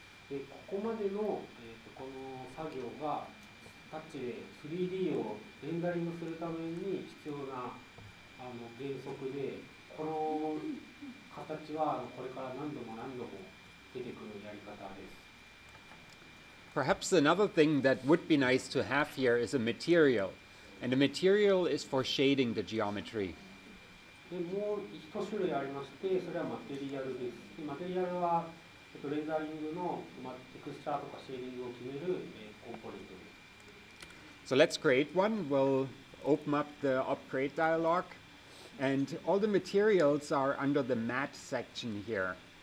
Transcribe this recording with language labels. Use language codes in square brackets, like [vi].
[ja] ここまでの、この作業がタッチで 3D をレンダリングするために必要な原則で、この形はこれから何度も何度も出てくるやり方です。 [en] Perhaps another thing that would be nice to have here is a material. And the material is for shading the geometry. [ja] で、もう一種類ありまして、それはマテリアルです。で、マテリアルはレンダリングのテクスチャーとかシェーディングを決めるコンポーネントです。 [en] So let's create one. We'll open up the upgrade dialog. And all the materials are under the matte section here.